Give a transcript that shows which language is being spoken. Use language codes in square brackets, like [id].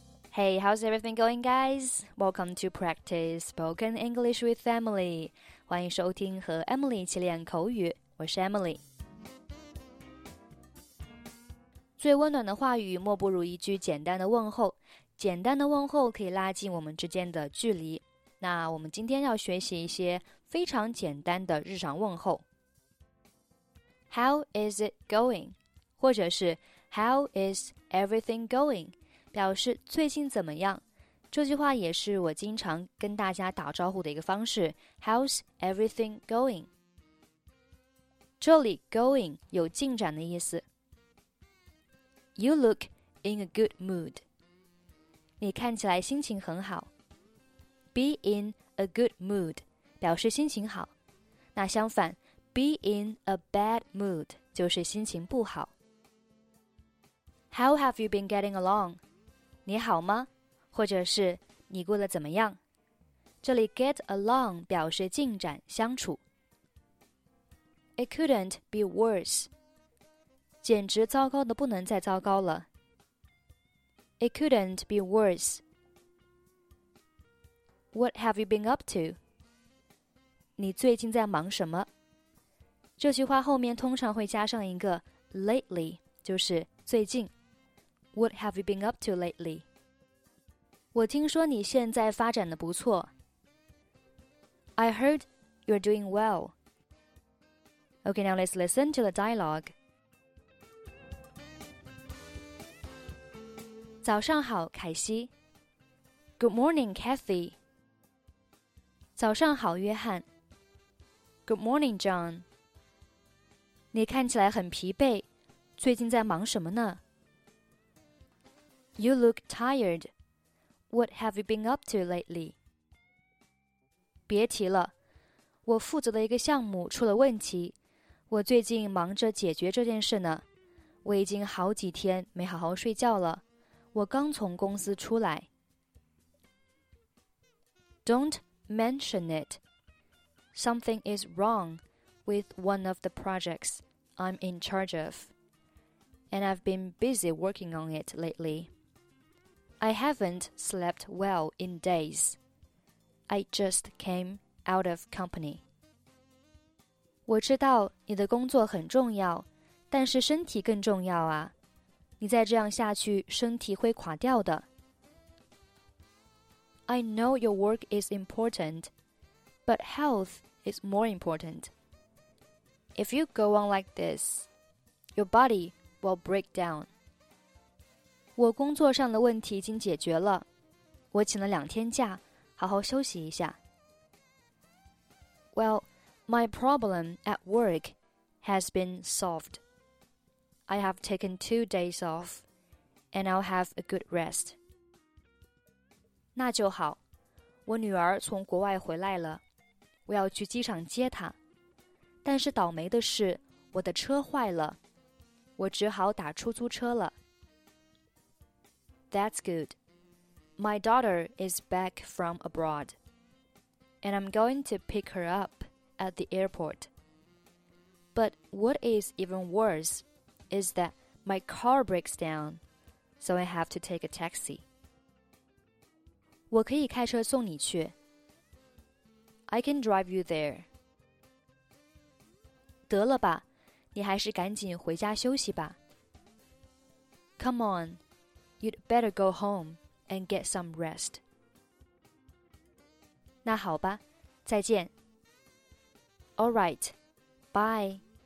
[en] Hey, how's everything going, guys? Welcome to practice spoken English with Emily. [zh] 欢迎收听和 Emily 一起练口语，我是 Emily。最温暖的话语莫不如一句简单的问候，简单的问候可以拉近我们之间的距离。那我们今天要学习一些非常简单的日常问候。 [en] How is it going? [zh] 或者是 [en] How is everything going? [zh] 表示最近怎么样？这句话也是我经常跟大家打招呼的一个方式。 [en] How's everything going? [zh] 这里 going 有进展的意思。 [en] You look in a good mood. [zh] 你看起来心情很好。 [en] Be in a good mood [zh] 表示心情好。那相反 [en] ,be in a bad mood [zh] 就是心情不好。 [en] How have you been getting along? [zh] 你好吗？或者是你过得怎么样？这里 get along 表示进展、相处。 [en] It couldn't be worse. [zh] 简直糟糕的不能再糟糕了。 [en] It couldn't be worse. What have you been up to? [zh] 你最近在忙什么？这句话后面通常会加上一个 lately, 就是最近。 [en] What have you been up to lately? [zh] 我听说你现在发展得不错。 [en] I heard you're doing well. Okay, now let's listen to the dialogue. [zh] 早上好，凯西。 [en] Good morning, Kathy. [zh] 早上好，约翰。 [en] Good morning, John. [zh] 你看起来很疲惫，最近在忙什么呢？ [en] You look tired. What have you been up to lately? [zh] 别提了，我负责的一个项目出了问题，我最近忙着解决这件事呢。我已经好几天没好好睡觉了，我刚从公司出来。 [en] Don't mention it. Something is wrong with one of the projects I'm in charge of, and I've been busy working on it lately. I haven't slept well in days. I just came out of company. [zh] 我知道你的工作很重要，但是身体更重要啊。你再这样下去，身体会垮掉的。 [en] I know your work is important, but health is more important. If you go on like this, your body will break down. [zh] 我工作上的问题已经解决了，我请了两天假，好好休息一下。 [en] Well, my problem at work has been solved. I have taken 2 days off, and I'll have a good rest. [zh] 那就好，我女儿从国外回来了，我要去机场接她。但是倒霉的是，我的车坏了，我只好打出租车了。 [en] That's good. My daughter is back from abroad, and I'm going to pick her up at the airport. But what is even worse is that my car breaks down, so I have to take a taxi. [zh] 我可以开车送你去。 [en] I can drive you there. [zh] 得了吧，你还是赶紧回家休息吧。 [en] Come on. You'd better go home and get some rest. [zh] 那好吧，再见。 [en] All right, bye.